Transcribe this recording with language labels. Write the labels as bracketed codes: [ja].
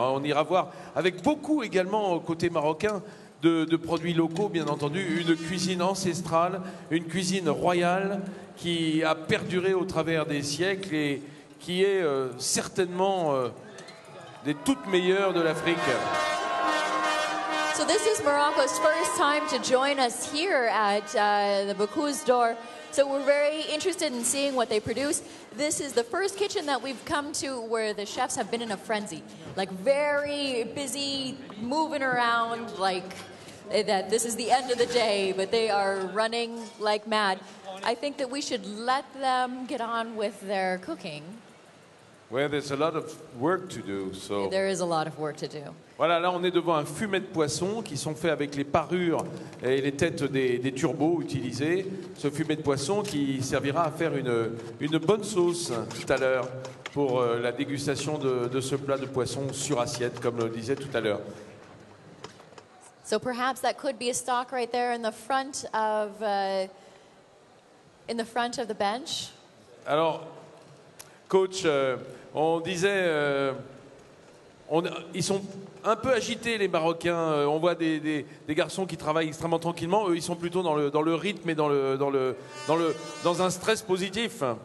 [fr] On ira voir avec beaucoup également côté marocain de produits locaux, bien entendu, une cuisine ancestrale, une cuisine royale qui a perduré au travers des siècles et qui est certainement des toutes meilleures de l'Afrique. [en] So this is Morocco's first time to join us here at the Bocuse d'Or. So we're very interested in seeing what they produce. This is the first kitchen that we've come to where the chefs have been in a frenzy, like very busy, moving around, like that this is the end of the day, but they are running like mad. I think that we should let them get on with their cooking. Well, there's a lot of work to do, so... There is a lot of work to do. [fr] Voilà, là, on est devant un fumet de poisson qui sont faits avec les parures et les têtes des turbos utilisés. Ce fumet de poisson qui servira à faire une bonne sauce tout à l'heure pour la dégustation de ce plat de poisson sur assiette, comme le disait tout à l'heure. [en] So perhaps that could be a stock right there in the front of the bench. [fr] Alors, coach, on disait, ils sont un peu agités les Marocains. On voit des garçons qui travaillent extrêmement tranquillement. Eux, ils sont plutôt dans le rythme et dans un stress positif.